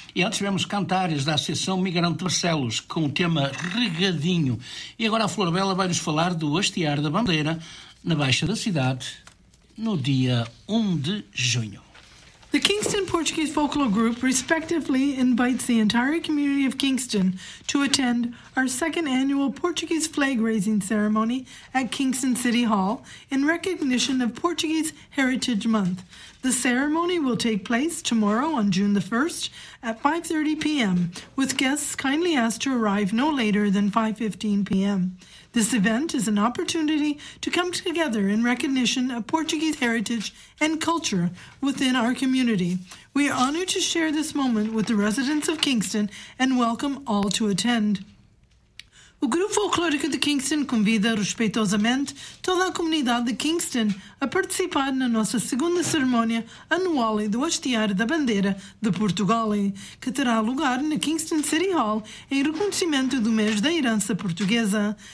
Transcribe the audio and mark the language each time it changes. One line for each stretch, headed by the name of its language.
Portuguese: E antes tivemos Cantares, da Associação Migrante de Barcelos, com o tema Regadinho. E agora a Flor Bela vai-nos falar do hastear da bandeira na Baixa da Cidade, no dia 1 de junho.
English: The Kingston Portuguese Folklore Group respectively invites the entire community of Kingston to attend our second annual Portuguese flag raising ceremony at Kingston City Hall in recognition of Portuguese Heritage Month. The ceremony will take place tomorrow on June the 1st at 5:30 p.m. with guests kindly asked to arrive no later than 5:15 p.m. This event is an opportunity to come together in recognition of Portuguese heritage and culture within our community. We are honored to share this moment with the residents of Kingston and welcome all to attend.
Portuguese: O Grupo Folclórico de Kingston convida respeitosamente toda a comunidade de Kingston a participar na nossa segunda cerimónia anual do hastear da bandeira de Portugal, que terá lugar na Kingston City Hall em reconhecimento do mês da herança portuguesa.